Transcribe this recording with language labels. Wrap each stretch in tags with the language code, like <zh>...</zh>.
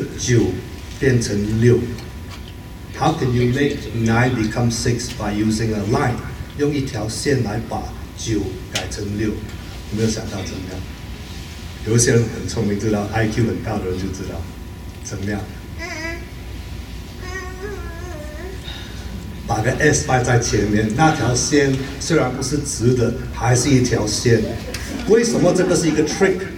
<zh>那你怎么样可以把这个9变成6?</zh> <en>How can you make 9 become 6 by using a line?</en> <zh>用一条线来把9改成6。有没有想到怎么样？有一些人很聪明，知道 IQ 很大的人就知道怎么样。把个 S 放在前面，那条线虽然不是直的，还是一条线。为什么这个是一个 trick？</zh>